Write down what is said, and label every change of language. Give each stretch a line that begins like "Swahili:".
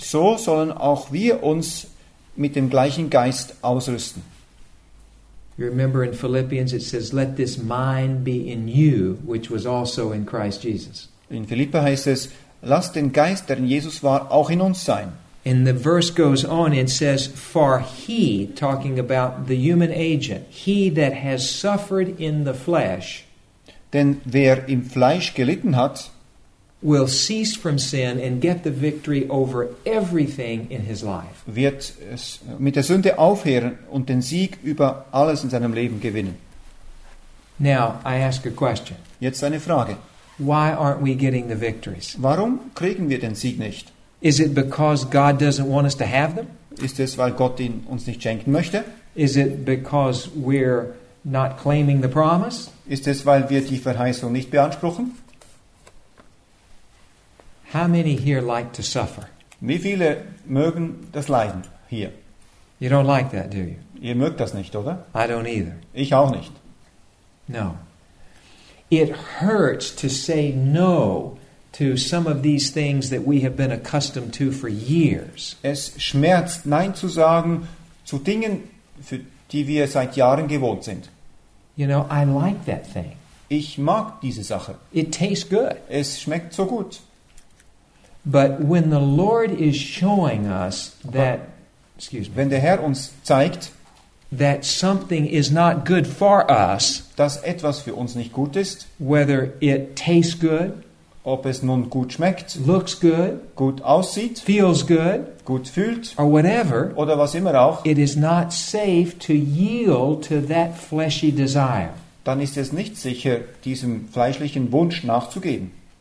German: So sollen auch wir uns mit dem gleichen Geist ausrüsten.
English: You remember in Philippians it says, "Let this mind be in you, which was also in Christ Jesus."
German: In Philippi heißt es, lass den Geist, der in Jesus war, auch in uns sein.
English: And the verse goes on and says, "For he," talking about the human agent, "he that has suffered in the flesh."
German: Denn wer im Fleisch gelitten hat,
English: will cease from sin and get the victory over everything in his life.
German: Wird mit der Sünde aufhören und den Sieg über alles in seinem Leben gewinnen.
English: Now, I ask a question.
German: Jetzt eine Frage.
English: Why aren't we getting the victories?
German: Warum kriegen wir den Sieg nicht?
English: Is it because God doesn't want us to have them?
German: Ist es, weil Gott ihn uns nicht schenken möchte?
English: Is it because we're not claiming the promise?
German: Ist es, weil wir die Verheißung nicht beanspruchen?
English: How many here like to suffer?
German: Wie viele mögen das Leiden hier?
English: You don't like that, do you?
German: Ihr mögt das nicht, oder?
English: I don't either.
German: Ich auch nicht.
English: No. It hurts to say no to some of these things that we have been accustomed to for years.
German: Es schmerzt, nein zu sagen zu Dingen, für die wir seit Jahren gewohnt sind.
English: You know, I like that thing.
German: Ich mag diese Sache.
English: It tastes good.
German: Es schmeckt so gut.
English: But when the Lord is showing us that,
German: wenn der Herr uns zeigt,
English: that something is not good for us,
German: dass etwas für uns nicht gut ist,
English: whether it tastes good,
German: ob es nun gut schmeckt,
English: looks good,
German: gut aussieht,
English: feels good,
German: gut fühlt,
English: or whatever,
German: oder was immer auch,
English: it is not safe to yield to that fleshy desire.
German: Dann ist es nicht sicher, diesem fleischlichen Wunsch nachzugeben.